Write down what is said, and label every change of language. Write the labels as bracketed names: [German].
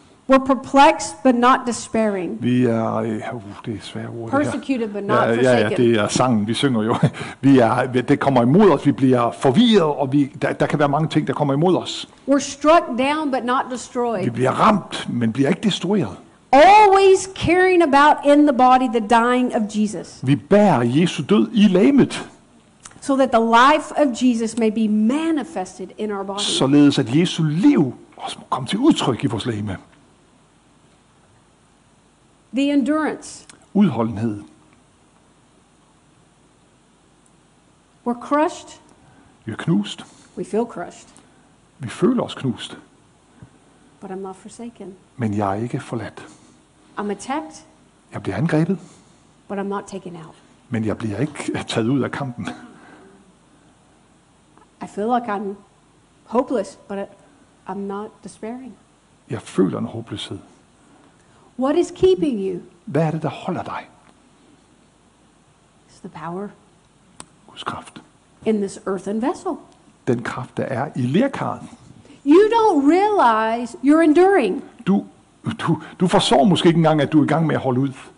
[English] We're perplexed but not despairing. [Danish] Vi er det er svært ord. [English] Persecuted but not forsaken. [Danish] Ja, det er sangen vi synger jo. Vi er det kommer imod os, vi bliver forvirret og vi der kan være mange ting der kommer imod os. [English] We're struck down but not destroyed. [Danish] Vi bliver ramt, men bliver ikke destrueret. [English] Always caring about in the body the dying of Jesus. [Danish] Vi bærer Jesu død i legemet. [English] So that the life of Jesus may be manifested in our body. [Danish] Således at Jesu liv også må komme til udtryk i vores legeme. [English] The endurance. [Danish] Udholdenhed. [English] We're crushed. [Danish] Vi er knust. [English] We feel crushed. [Danish] Vi føler os knust. [English] But I'm not forsaken. [Danish] Men jeg er ikke forladt. [English] I'm attacked. [Danish] Jeg bliver angrebet. [English] But I'm not taken out. [Danish] Men jeg bliver ikke taget ud af kampen. [English] I feel like I'm hopeless, but I'm not despairing. [Danish] Jeg føler en håbløshed. [English] What is keeping you? [Danish] Hvad er det, der holder dig? [English] It's the power. [Danish] Guds kraft. [English] In this earthen vessel. [Danish] Den kraft, der er i lerkaren. [English] You don't realize you're enduring. [Danish] Du forstår måske ikke engang, at du er i gang med at holde ud.